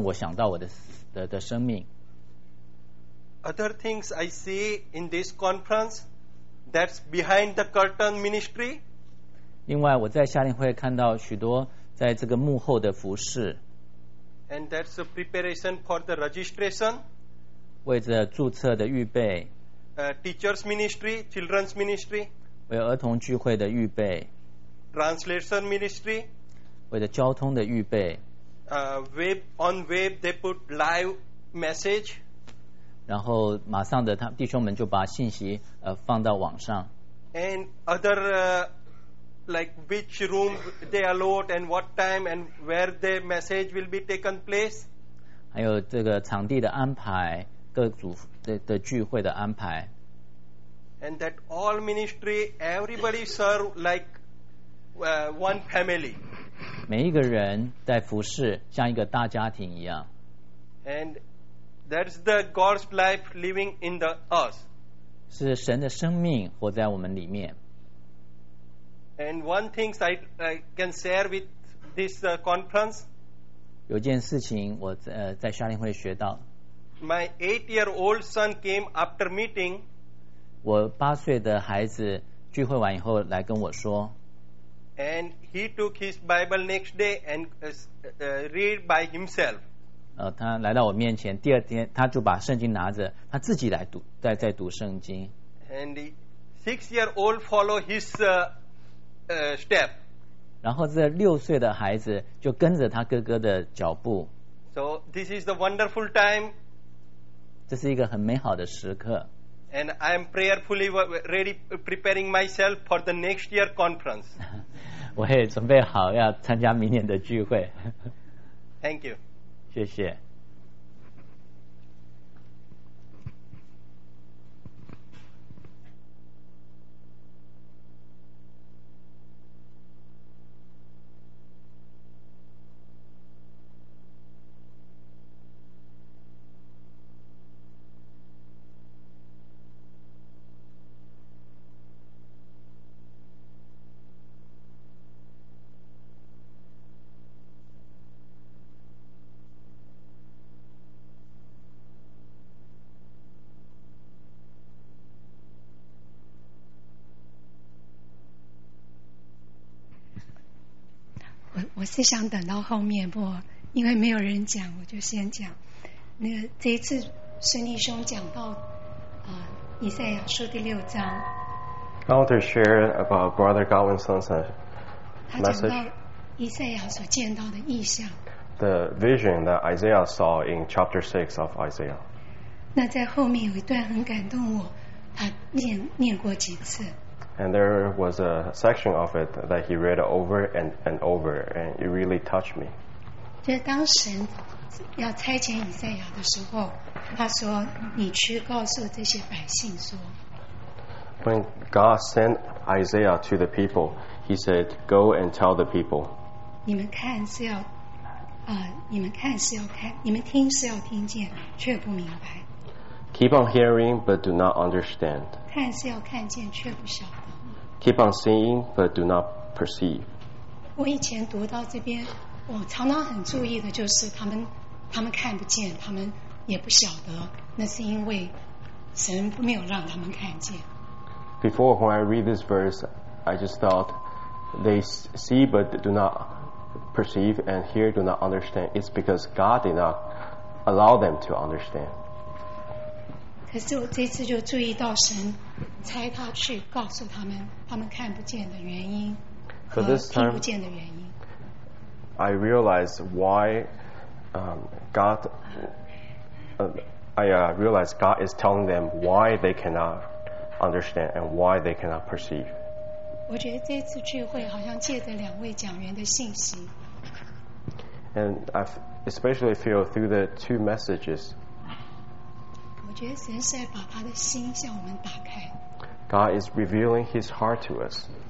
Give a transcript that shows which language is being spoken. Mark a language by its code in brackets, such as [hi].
[zh] 那这就是让我想到我的生命。 [en] Other things I see in this conference, that's behind the curtain ministry. [zh] 另外，我在夏令会看到许多在这个幕后的服事。 [en] And that's a preparation for the registration. [zh] 为着注册的预备。 [en] Teachers ministry, children's ministry. [zh] 为儿童聚会的预备。 [en] Translation ministry. [zh] 为着交通的预备。 [en] Web, on web they put live message. [zh] 然后马上的他弟兄们就把信息放到网上。 [en] And other like which room they allowed and what time and where the message will be taken place. [zh] 还有这个场地的安排，各组 的聚会的安排。 [en] And that all ministry, everybody serve like one family. [zh] 每一个人在服侍像一个大家庭一样。 [en] And that's the God's life living in the us. [zh] 是神的生命活在我们里面。 [en] And one thing I can share with this conference. [zh] 有件事情我在夏令会学到。 [en] My 8-year-old son came after meeting. [zh] 我八岁的孩子聚会完以后来跟我说。 [en] And he took his Bible next day and read by himself. [zh] 他来到我面前，第二天他就把圣经拿着，他自己来读，在读圣经。 [en] And the 6-year-old follow his step. [zh] 然后这六岁的孩子就跟着他哥哥的脚步。 [en] So this is the wonderful time. [zh] 这是一个很美好的时刻。 [en] And I am prayerfully ready preparing myself for the next year conference. [zh] 我也准备好要参加明年的聚会。 [en] Thank you. [zh] 谢谢。我是想等到后面，不因为没有人讲我就先讲。那个这一次孙弟兄讲到以赛亚书第六章。 [en] I want to share about Brother Godwin's message. [zh] 他讲到以赛亚所见到的异象。 [en] The vision that Isaiah saw in chapter 6 of Isaiah. [zh] 那在后面有一段很感动我，他念过几次。 [en] And there was a section of it that he read over and over, and it really touched me. [zh] 就是当神要差遣以赛亚的时候，他说：“你去告诉这些百姓说。” [en] When God sent Isaiah to the people, he said, "Go and tell the people." [zh] 你们看是要，你们看是要看，你们听是要听见，却不明白。 [en] Keep on hearing, but do not understand. [zh] 看是要看见，却不晓得。 [en] Keep on seeing, but do not perceive. [zh] 我以前读到这边，我常常很注意的就是他们看不见，他们也不晓得，那是因为神没有让他们看见。 [en] Before, when I read this verse, I just thought they see but do not perceive, and hear do not understand. It's because God did not allow them to understand. [zh] 可是我这次就注意到神差他去告诉他们他们看不见的原因和听不见的原因。 [en] I realized why God realized God is telling them why they cannot understand and why they cannot perceive. [zh] 我觉得这次聚会好像借着两位讲员的信息。 [en] And I especially feel through the two messagesGod is revealing his heart to us.